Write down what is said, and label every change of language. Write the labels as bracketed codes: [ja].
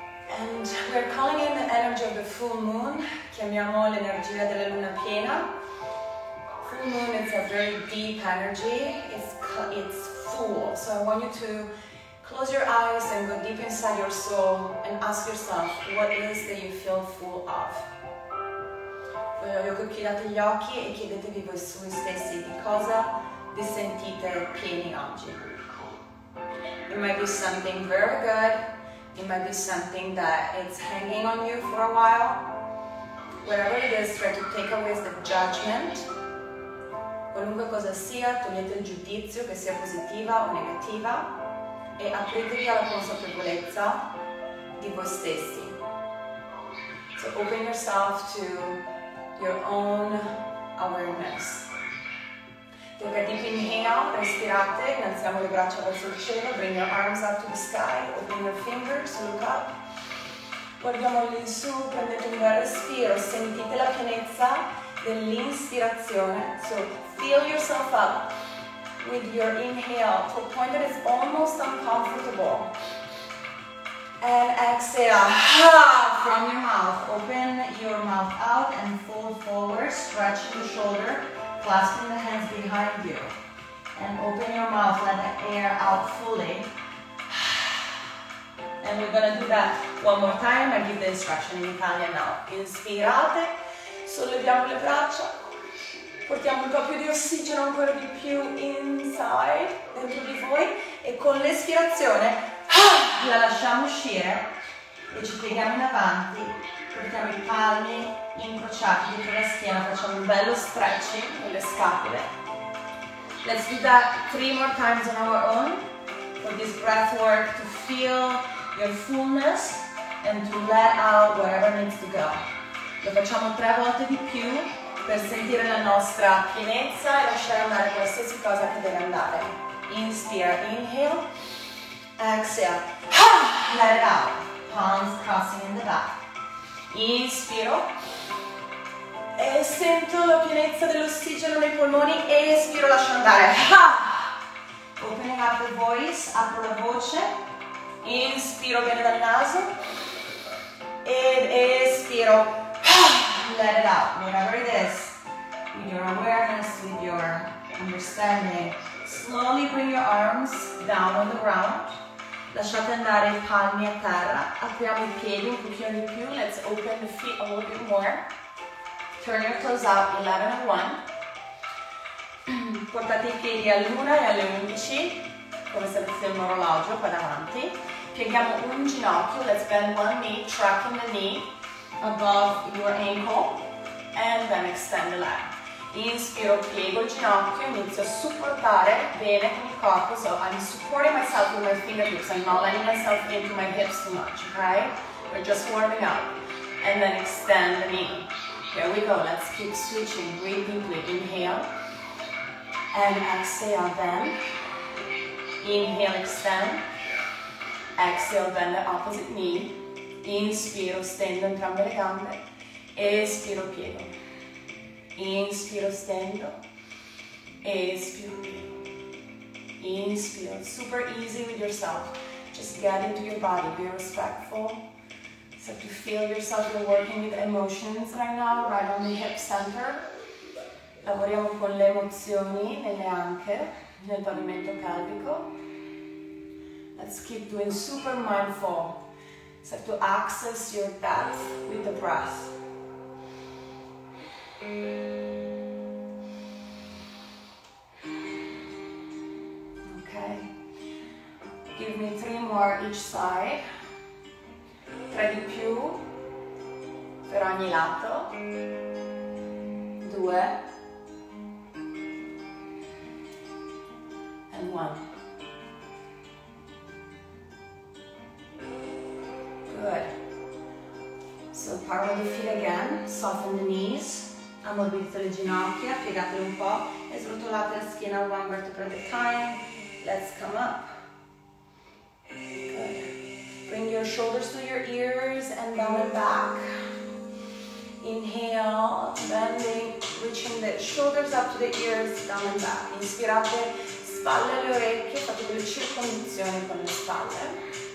[en] And we're calling in the energy of the full moon, [it] chiamiamo l'energia della luna piena. [en] Full moon is a very deep energy, it's full. So I want you to close your eyes and go deep inside your soul and ask yourself, what is that you feel full of? [it] Chiudete gli occhi e chiedetevi voi stessi di cosa vi sentite pieni oggi. [en] It might be something very good, it might be something that it's hanging on you for a while. Whatever it is, try to take away the judgment. [it] Qualunque cosa sia, togliete il giudizio, che sia positiva o negativa, e apritevi alla consapevolezza di voi stessi. [en] So open yourself to your own awareness. Take a deep inhale, [it] respirate, innalziamo le braccia verso il cielo, [en] bring your arms up to the sky, open your fingers, look up. [it] Guardiamoli in su, prendete un bel respiro, sentite la pienezza dell'inspirazione. [en] So fill yourself up with your inhale to a point that is almost uncomfortable. And exhale, ha, from your mouth. Open your mouth out and fold forward, stretch the shoulder, clasping the hands behind you. And open your mouth, let the air out fully. And we're gonna do that one more time. I give the instruction in Italian now. [it] Inspirate, solleviamo le braccia, portiamo un po' più di ossigeno ancora di più inside, dentro di voi, e con l'espirazione, la lasciamo uscire e ci pieghiamo in avanti, portiamo i palmi incrociati dietro la schiena, facciamo un bello stretching delle scapole. [en] Let's do that 3 more times on our own for this breath work to feel your fullness and to let out whatever needs to go. [it] Lo facciamo 3 volte di più per sentire la nostra pienezza e lasciare andare qualsiasi cosa che deve andare. [en] Inspire, inhale. Exhale, let it out, palms crossing in the back. [it] Inspiro, e sento la pienezza dell'ossigeno nei polmoni, e espiro, lascio andare. [en] Opening up the voice, [it] apro la voce, inspiro bene dal naso, ed espiro, [en] let it out, whatever it is, with your awareness, with your understanding. Slowly bring your arms down on the ground. [it] Lasciate andare i palmi a terra, apriamo i piedi un pochino di più, [en] let's open the feet a little bit more. Turn your toes out, 11:01. [it] Portate i piedi all'1 e alle 11, come se fosse un orologio qua davanti. Pieghiamo un ginocchio, [en] let's bend one knee, tracking the knee above your ankle, and then extend the leg. [it] Inspiro, piego il ginocchio, inizio a supportare bene con il corpo. [en] So I'm supporting myself with my fingertips. I'm not letting myself into my hips too much, okay? We're just warming up. And then extend the knee. Here we go. Let's keep switching. Breathe deeply. Inhale. And exhale, bend. Inhale, extend. Exhale, bend the opposite knee. [it] Inspiro, stendo entrambe le gambe. Espiro, piego. Inspiro, stendo. Espiro, piego. Inspiro. [en] Super easy with yourself. Just get into your body. Be respectful. So to feel yourself, you're working with emotions right now, right on the hip center. [it] Lavoriamo con le emozioni nelle anche, nel pavimento pelvico. [en] Let's keep doing super mindful. So to access your depth with the breath. Okay. Give me three more each side. [it] Tre di più per ogni lato. Due. [en] And one. Good. So part of the feet again. Soften the knees. [it] Ammorbidite le ginocchia. Piegatele un po'. E srotolate la schiena [en] one vertebra at a time. Let's come up. Bring your shoulders to your ears and down and back. Inhale, bending, reaching the shoulders up to the ears, down and back. [it] Inspirate, spalle alle orecchie, fate delle circonvoluzioni con le spalle.